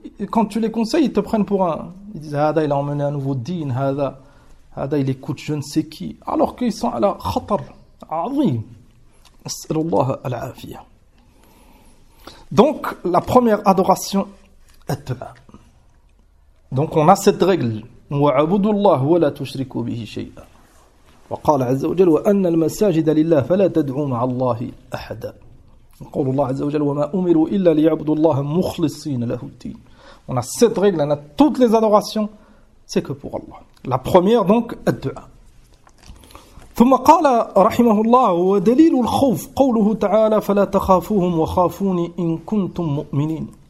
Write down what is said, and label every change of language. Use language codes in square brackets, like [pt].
[fr] Quand tu les conseilles, ils te prennent pour un. Ils disent Hada, il a emmené un nouveau din, Hada, il écoute je ne sais qui. Alors qu'ils sont à la khatar, azim. As-salallah al-afiyya. Donc, la première adoration est là. Donc on a cette règle [ar] وَعَبُدُ اللَّهُ وَلَا تُشْرِكُوا بِهِ شَيْئًا وَقَالَ عَزَّ وَجَلَّ وَأَنَّ الْمَسَاجِدَ لِلَّهِ فَلَا تَدْعُوا مَعَ اللَّهِ أَحَدًا قَالَ اللَّهُ عَزَّ وَجَلَّ وَمَا أُمِرُوا إِلَّا لِيَعْبُدُوا اللَّهَ مُخْلِصِينَ لَهُ الدِّينَ. [fr] On a cette règle, on a toutes les adorations, c'est que pour Allah. La première donc, الدُّعَاء. [ar] ثم قال رحمه الله ودليل الخوف قوله تعالى فلا تخافوهم وخافوني إن كنتم مؤمنين.